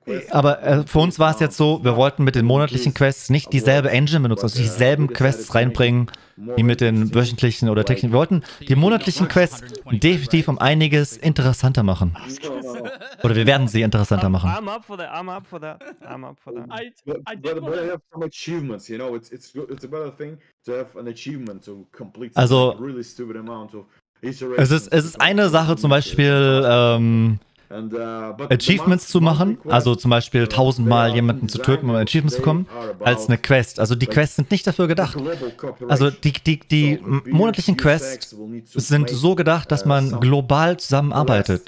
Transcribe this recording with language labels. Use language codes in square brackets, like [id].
[de] Aber für uns war es jetzt so, wir wollten mit den monatlichen Quests nicht dieselbe Engine benutzen, also dieselben Quests reinbringen, wie mit den wöchentlichen oder täglichen. Wir wollten die monatlichen Quests definitiv um einiges interessanter machen. Oder wir werden sie interessanter machen. [en] I'm up for that, I'm up for that, I'm up for that. But I have some achievements, you know, it's a better thing to have an achievement to complete a really stupid amount of iterations. [de] Es ist eine Sache zum Beispiel, Achievements zu machen, also zum Beispiel 1000 Mal jemanden zu töten, um Achievements zu bekommen, als eine Quest. Also die Quests sind nicht dafür gedacht. Also die monatlichen Quests sind so gedacht, dass man global zusammenarbeitet.